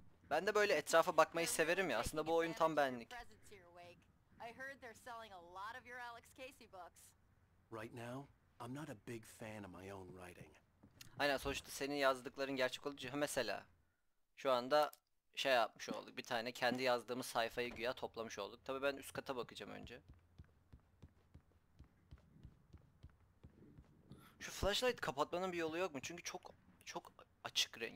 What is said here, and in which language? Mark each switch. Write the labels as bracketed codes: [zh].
[tr] Ben de böyle etrafa bakmayı severim ya, aslında bu oyun tam benlik. [en] I heard they're selling a lot of your Alex Casey books. Right now, I'm not a big fan of my own writing. [tr] Aynen, sonuçta senin yazdıkların gerçek olacağı mesela. Şu anda şey yapmış olduk, bir tane kendi yazdığımız sayfayı güya toplamış olduk. Tabii ben üst kata bakacağım önce. Şu flashlight kapatmanın bir yolu yok mu? Çünkü çok çok açık renk.